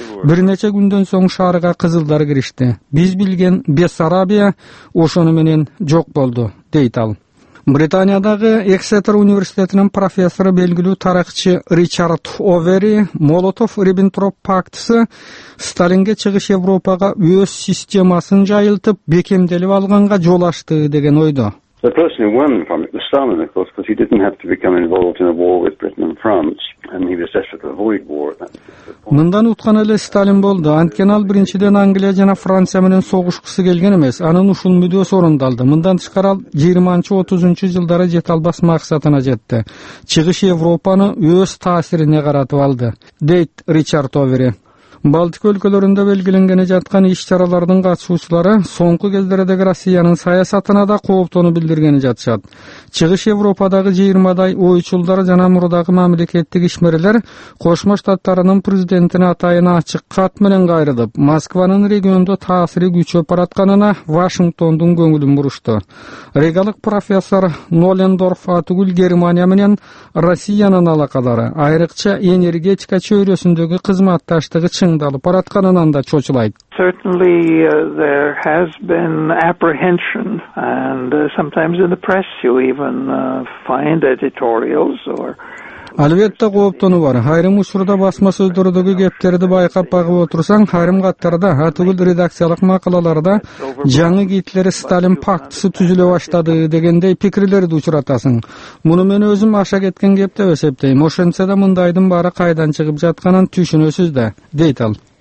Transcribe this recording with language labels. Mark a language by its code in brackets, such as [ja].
[ky] Бир нече күндөн соң шаарга кызылдар киришти. Биз билген Бессарабия ошону менен жок болду, дейт ал. Британиядагы Эксетер университетинин профессору белгилүү тарыхчы Ричард Овери Молотов-Рибентроп пактысы Сталинге чыгыш Европага өз системасын жайылтып, бекемделип алганга жол ачты деген ойдо. [en] The person who won from it was Stalin, of course, because he didn't have to become involved in a war with Britain and France, and he was desperate to avoid war at that point. [ky] Мындан уткан эле Сталин болду. Анткени ал биринчиден Англия жана Франция менен согушкусу келген эмес. Анын ушул мүдөөсү орундалды. Мындан тышкары ал 20-30 жылдары жете албас максатына жетти. Чыгыш Европаны өз таасирине каратып алды, дейт Ричард Овери. Балтик өлкөлөрүндө белгиленгени жаткан иш чаралардын катышуучулары соңку кездердеги Россиянын саясатына да кооптонуп билдиргени жатышат. Чыгыш Европадагы 20-дай ойчулдар жана мурдагы мамлекеттик ишмерлер Кошмо Штаттарынын президентине атайын ачык кат менен кайрылып, Москванын региондо таасири күчөп баратканына Вашингтондун көңүлүн бурушту. Регалык профессор Нолендорф атыгүл Германия менен Россиянын алакалары, айрыкча энергетика чөйрөсүндөгү кызматташтыгы чыңдалып баратканынан да чочулайт. [en] Certainly there has been apprehension and sometimes in the press you even find editorials or [ky] Албетте кооптонуу бар. Айрым учурда басма сөздөрдөгү кептерди байкап багып отурсаң, айрым каттарда, атыгүл редакциялык макалаларда жаңы гитлер Сталин пактысы түзүлө баштады дегендей пикирлерди учуратасың. Муну мен өзүм аша кеткен кеп деп эсептейм. Ошентсе да мындайдын баары кайдан чыгып жатканын түшүнөсүз да, дейт ал.